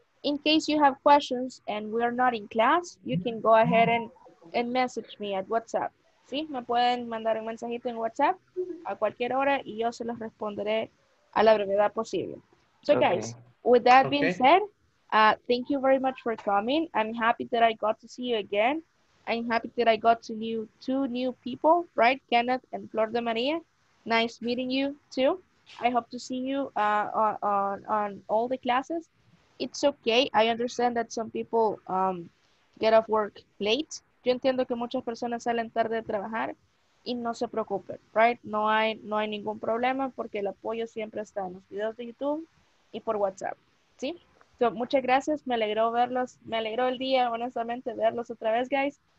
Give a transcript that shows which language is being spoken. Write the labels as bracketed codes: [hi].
[en] In case you have questions and we are not in class, you can go ahead and message me at WhatsApp. [es] ¿Sí? Me pueden mandar un mensajito en WhatsApp a cualquier hora y yo se los responderé a la brevedad posible. [en] So okay. Guys, with that being said, thank you very much for coming. I'm happy that I got to see you again. I'm happy that I got to meet two new people, right? Kenneth and Flor de Maria. Nice meeting you too. I hope to see you on all the classes. It's okay. I understand that some people get off work late. [es] Yo entiendo que muchas personas salen tarde de trabajar y no se preocupen, right? No hay ningún problema porque el apoyo siempre está en los videos de YouTube y por WhatsApp, ¿sí? So, muchas gracias. Me alegró verlos. Me alegró el día, honestamente, verlos otra vez, guys.